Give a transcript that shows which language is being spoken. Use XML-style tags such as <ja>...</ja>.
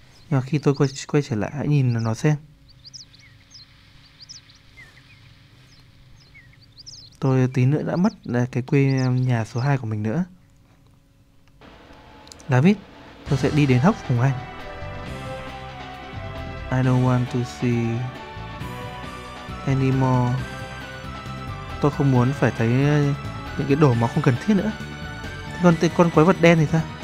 <vi>Nhưng mà khi tôi quay trở lại, hãy nhìn nó xem. Tôi tí nữa đã mất cái quê nhà số 2 của mình nữa. David, tôi sẽ đi đến hốc cùng anh.</vi> <en>I don't want to see anymore.</en> <vi>Tôi không muốn phải thấy những cái đồ mà không cần thiết nữa. Thế còn con quái vật đen thì sao?</vi>